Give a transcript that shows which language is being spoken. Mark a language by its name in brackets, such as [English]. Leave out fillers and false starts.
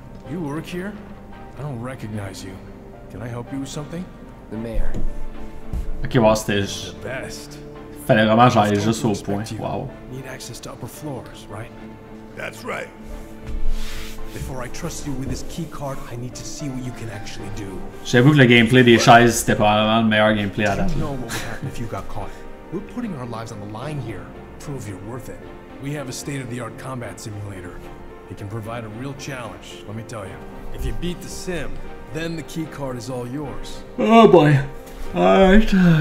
[English] You work here? I don't recognize you. Can I help you with something? The mayor. [French] Ok, wow, c'était juste. [English] The best. [French] Fallait vraiment j'aille juste au point. You. Wow. [English] Need access to upper floors, right? That's right. Before I trust you with this key card, I need to see what you can actually do. [French] J'avoue que le gameplay des chaises c'était pas vraiment le meilleur gameplay à date. [English] You know what would happen if you got caught. We're putting our lives on the line here. Prove you're worth it. We have a state-of-the-art combat simulator. It can provide a real challenge, let me tell you. If you beat the sim, then the key card is all yours. Oh boy. Alright.